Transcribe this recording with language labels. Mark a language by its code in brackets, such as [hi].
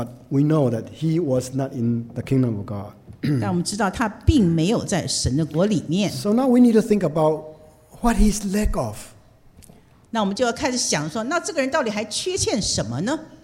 [en] we know that he was not in the kingdom of God. [zh] 但我们知道他并没有在神的国里面。So [en] now we need to think about what his lack of. [zh] 那我们就要开始想说，那这个人到底还缺欠什么呢?